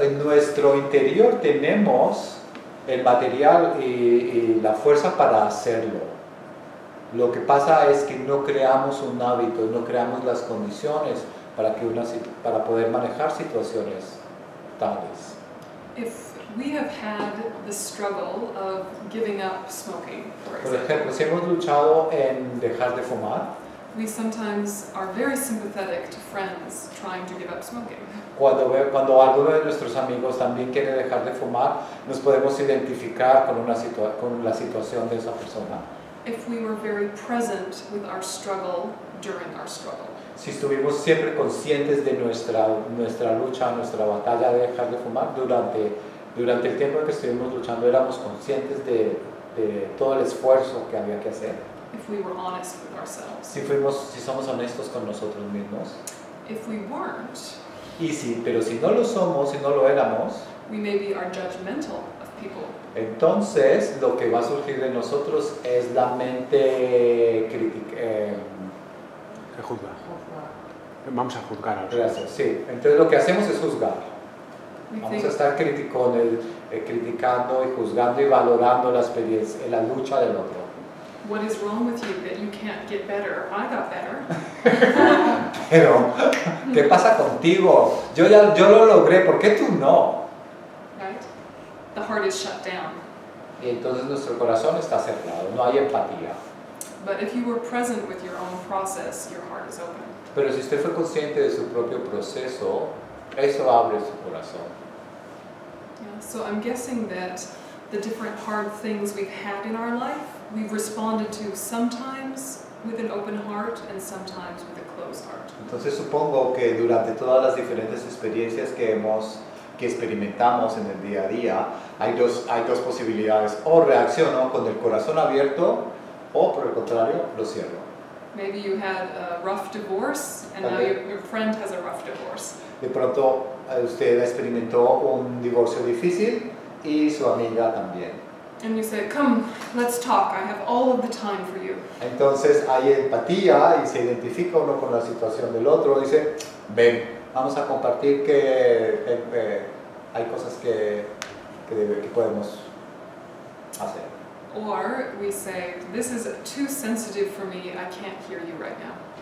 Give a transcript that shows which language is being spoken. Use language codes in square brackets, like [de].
[es] En nuestro interior tenemos el material y la fuerza para hacerlo. Lo que pasa es que no creamos un hábito, no creamos las condiciones para que para poder manejar situaciones tales. [en] If we have had the struggle of giving up smoking, [es] por ejemplo, si hemos luchado en dejar de fumar, [en] we sometimes are very sympathetic to friends trying to give up smoking. [es] Cuando alguno de nuestros amigos también quiere dejar de fumar, nos podemos identificar con la situación de esa persona. [en] If we were very present with our struggle during our struggle. [es] Si estuvimos siempre conscientes de nuestra lucha, nuestra batalla de dejar de fumar durante el tiempo que estuvimos luchando, éramos conscientes de todo el esfuerzo que había que hacer. [en] If we were honest with ourselves. [es] Si somos honestos con nosotros mismos. [en] If we weren't. [es] Pero si no lo somos, si no lo éramos. [en] We maybe are judgmental of people. [es] Entonces, lo que va a surgir de nosotros es la mente crítica. Juzgar. Vamos a juzgar a los demás. Gracias, sí. Entonces, lo que hacemos es juzgar. Vamos a estar criticando y juzgando y valorando la experiencia, la lucha del otro. [en] What is wrong with you that you can't get better? I got better. [es] Pero, ¿qué pasa contigo? Yo lo logré, ¿por qué tú no? [en] The heart is shut down. [es] Y entonces nuestro corazón está cerrado, no hay empatía. [en] But if you were present with your own process, your heart is open. [es] Pero si usted fue consciente de su propio proceso, eso abre su corazón. [en] Yeah, so I'm guessing that the different hard things we've had in our life, we've responded to sometimes with an open heart and sometimes with a closed heart. [es] Entonces supongo que durante todas las diferentes experiencias que experimentamos en el día a día, hay dos posibilidades: o reacciono con el corazón abierto, o por el contrario, lo cierro. [en] Maybe you had a rough divorce and now your friend has a rough divorce. [es] De pronto usted experimentó un divorcio difícil y su amiga también. [en] And you say, come, let's talk. I have all of the time for you. [es] Entonces hay empatía y se identifica uno con la situación del otro. Dice, ven. Vamos a compartir que hay cosas que podemos hacer. [en] Or we say, this is too sensitive for me, I can't hear you right now.